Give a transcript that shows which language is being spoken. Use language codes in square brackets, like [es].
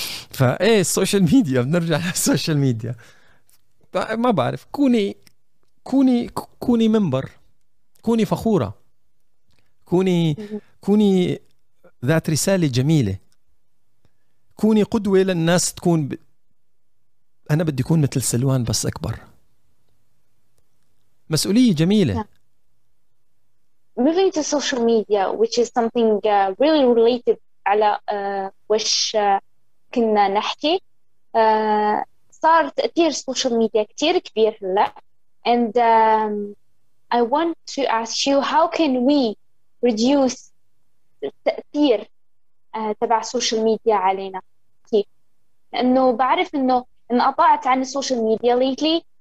[ar] فايه السوشيال ميديا بنرجع للسوشيال ميديا ما بعرف كوني منبر كوني فخوره كوني ذات رساله جميله كوني قدوه للناس تكون انا بدي اكون مثل سلوان بس اكبر مسؤوليه جميله [en] moving to social media, which is something really related [ar] على وش كنا نحكي. صار تأثير السوشيال ميديا كتير كبير هلا. [en] And I want to ask you, how can we reduce [ar] التأثير تبع السوشيال ميديا علينا؟ كيف؟ لأنه بعرف إنه انقطعت عن السوشيال ميديا lately.